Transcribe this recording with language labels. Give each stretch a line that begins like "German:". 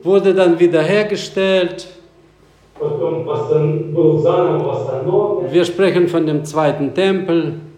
German: Wurde dann wiederhergestellt.
Russian: Потом был заново восстановлен.
German: Wir sprechen von dem zweiten Tempel.